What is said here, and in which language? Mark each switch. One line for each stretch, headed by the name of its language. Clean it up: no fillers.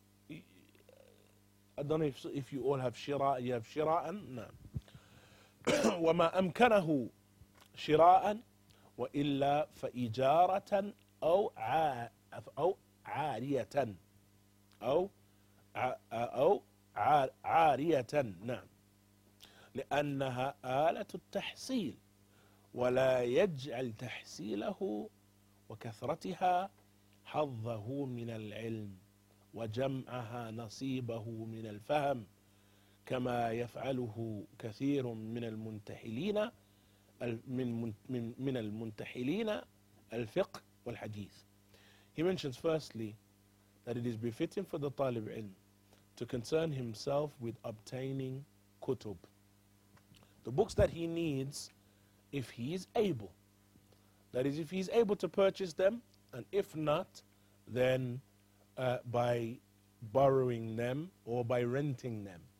English: I don't know if you all have shira, you have shira'an? No.
Arabic: وما أمكنه شراء وإلا فإجارة أو عارية نعم, لأنها آلة التحصيل ولا يجعل تحصيله وكثرتها حظه من العلم وجمعها نصيبه من الفهم كما يفعله كثير من المنتحلين الفقه والحديث.
English: He mentions firstly that it is befitting for the talib ilm to concern himself with obtaining kutub, the books that he needs, if he is able. That is, if he is able to purchase them, and if not, then by borrowing them or by renting them.